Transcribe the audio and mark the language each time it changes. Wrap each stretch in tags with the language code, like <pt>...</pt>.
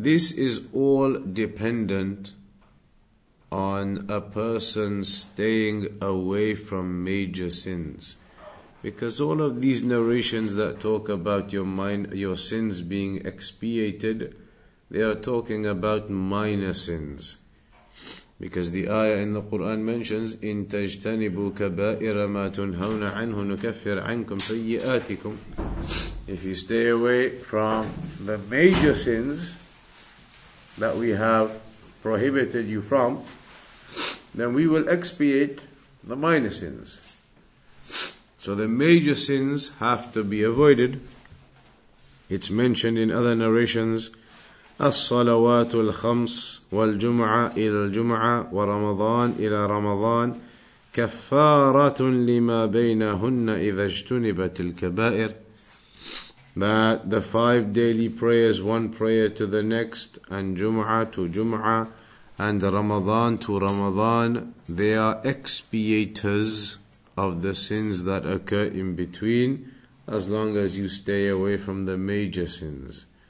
<en>This is all dependent on a person staying away from major sins. Because all of these narrations that talk about your sins being expiated, they are talking about minor sins. Because the ayah in the Quran mentions,</en> <ar>إِن تَجْتَنِبُوا كَبَائِرَ مَا تُنْهَوْنَ عَنْهُ نُكَفِّرْ عَنْكُمْ سَيِّئَاتِكُمْ.</ar> <en>If you stay away from the major sins that we have prohibited you from, then we will expiate the minor sins. So the major sins have to be avoided. It's mentioned in other narrations,</en> <ar>الصلوات الخمس والجمعة إلى الجمعة ورمضان إلى رمضان كفارة لما بينهن إذا اجتنبت الكبائر.</ar> <en>That the five daily prayers, one prayer to the next, and Jum'ah to Jum'ah, and Ramadan to Ramadan, they are expiators of the sins that occur in between, as long as you stay away from the major sins.</en>